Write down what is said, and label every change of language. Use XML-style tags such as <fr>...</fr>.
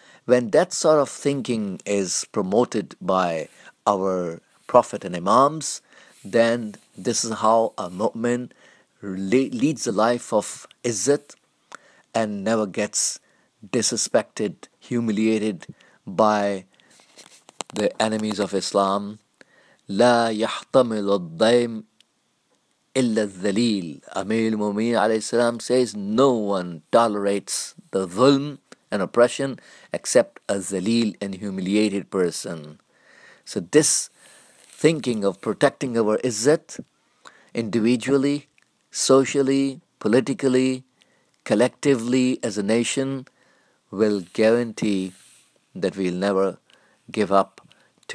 <en>When that sort of thinking is promoted by our prophet and imams, then this is how a mu'min leads a life of izzat and never gets disrespected, humiliated by the enemies of Islam.</en> <ar>لا يحتمل الضيم إلا الذليل.</ar> <en>Amir al-Mu'mineen alayhi salam says, no one tolerates the dhulm and oppression except a zaleel and humiliated person. So this thinking of protecting our izzat individually, socially, politically, collectively as a nation will guarantee that we'll never give up to</en>